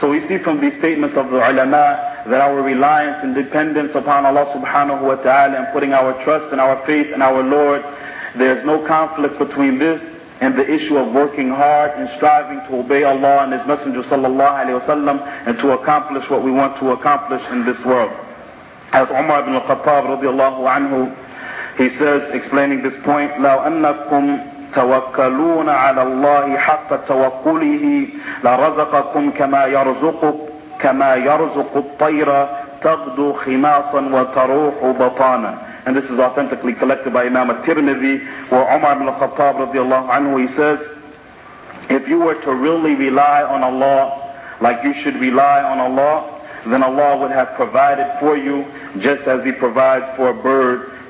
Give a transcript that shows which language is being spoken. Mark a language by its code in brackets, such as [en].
[en] So we see from these statements of the ulama that our reliance and dependence upon Allah subhanahu wa ta'ala and putting our trust and our faith in our Lord, there's no conflict between this and the issue of working hard and striving to obey Allah and His Messenger sallallahu alayhi wa sallam and to accomplish what we want to accomplish in this world. As Umar ibn al-Khattab radiallahu anhu, he says, explaining this point, [ar] لَوْ أَنَّكُمْ تَوَكَّلُونَ عَلَى اللَّهِ حَقَّ تَوَكُّلِهِ لَرَزَقَكُمْ كَمَا يَرْزُقُكُمْ كما يرزق الطير تغدو خماصا وتروح بطانا. [en] And this is authentically collected by Imam al-Tirmidhi, where Umar ibn al-Khattab radiallahu anhu, he says, if you were to really rely on Allah, like you should rely on Allah, then Allah would have provided for you, just as He provides for a bird.